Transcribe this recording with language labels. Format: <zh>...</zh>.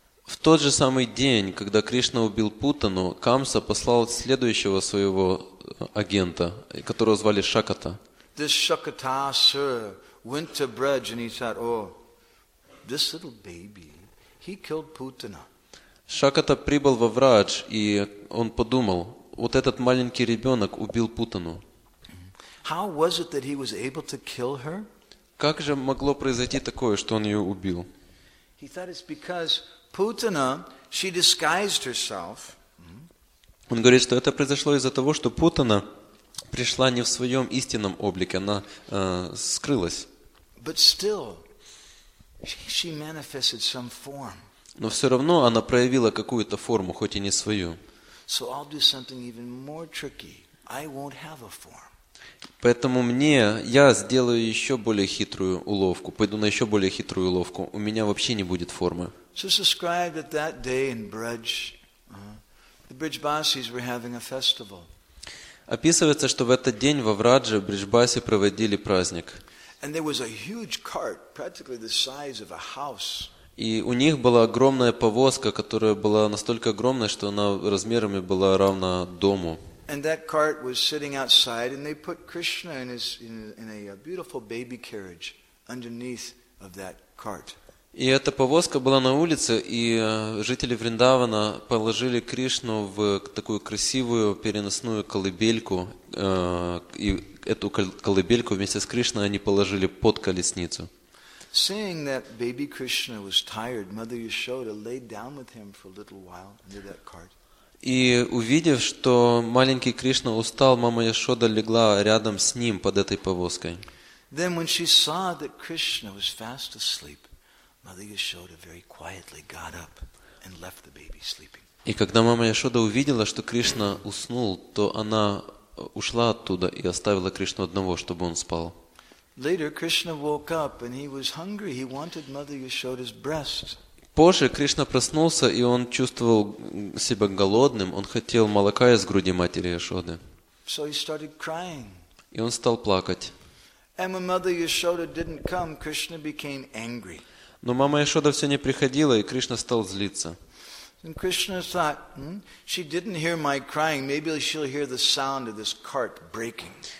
<ru>В тот же самый день, когда Кришна убил Путану, Камса послал следующего своего агента, которого звали Шаката.</ru> <en>This Shakata, sir, went to Braj and he said, "Oh, this little baby, he killed Putana."</en> <ru>Шаката прибыл во Врадж, и он подумал, вот этот маленький ребенок убил Путану.</ru> <en>How was it that he was able to kill her?</en> <ru>Как же могло произойти такое, что он ее убил?</ru> <en>He thought it's because Putana, she disguised herself.</en> <ru>Он говорит, что это произошло из-за того, что Путана пришла не в своем истинном облике, она скрылась.</ru> <en>But still, she manifested some form.</en> <ru>Но все равно она проявила какую-то форму, хоть и не свою.</ru> <en>So I'll do something even more tricky. I won't have a form.</en> <ru>Поэтому мне, я сделаю еще более хитрую уловку, пойду на еще более хитрую уловку. У меня вообще не будет формы.</ru> <en>So it's described that that day in Braj, the Brijbasis were having a festival.</en> <ru>Описывается, что в этот день во Врадже Брижбаси проводили праздник.</ru> <en>And there was a huge cart, practically the size of a house.</en> <ru>И у них была огромная повозка, которая была настолько огромной, что она размерами была равна дому.</ru> <en>And that cart was sitting outside, and they put Krishna in his in a beautiful baby carriage underneath of that cart.</en> <ru>И эта повозка была на улице, и жители Вриндавана положили Кришну в такую красивую переносную колыбельку, и эту колыбельку вместе с Кришной они положили под колесницу.</ru> <en>Seeing that baby Krishna was tired, Mother Yashoda laid down with him for a little while under that cart.</en> <ru>И увидев, что маленький Кришна устал, мама Яшода легла рядом с ним под этой повозкой.</ru> <en>Then when she saw that Krishna was fast asleep, Mother Yashoda very quietly got up and left the baby sleeping.</en> <ru>И когда мама Яшода увидела, что Кришна уснул, то она ушла оттуда и оставила Кришну одного, чтобы он спал.</ru> <en>Later Krishna woke up and he was hungry. He wanted Mother Yashoda's breast.</en> <ru>Позже Кришна проснулся, и он чувствовал себя голодным. Он хотел молока из груди матери Яшоды.</ru> <en>So he started crying.</en> <ru>И он стал плакать.</ru> <en>And when Mother Yashoda didn't come, Krishna became angry.</en> <ru>Но мама Яшода все не приходила, и Кришна стал злиться.</ru> <en>And Krishna thought, she didn't hear my crying. Maybe she'll hear the sound of this cart breaking.</en>